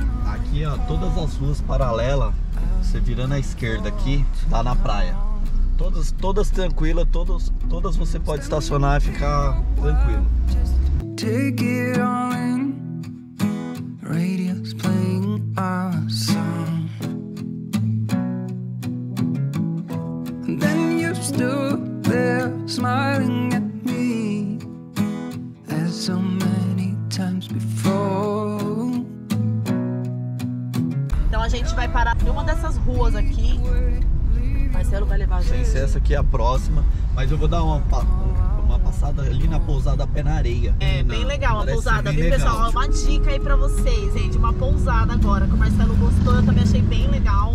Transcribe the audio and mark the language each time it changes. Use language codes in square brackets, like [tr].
[pt] Aqui, ó, todas as ruas paralelas, você virando à esquerda aqui, dá na praia. Todas tranquilas, todas você pode estacionar e ficar tranquilo. [en] Take it all in. Radio's playing our song. Then you stood there smiling at me as so many times before. [pt] Então a gente vai parar em uma dessas ruas aqui. Marcelo vai levar a gente. Sem ser essa aqui é a próxima, mas eu vou dar uma passada ali na pousada Pé na Areia. É, bem legal a pousada, viu, pessoal? Uma dica aí pra vocês, gente. Uma pousada agora, que o Marcelo gostou, eu também achei bem legal.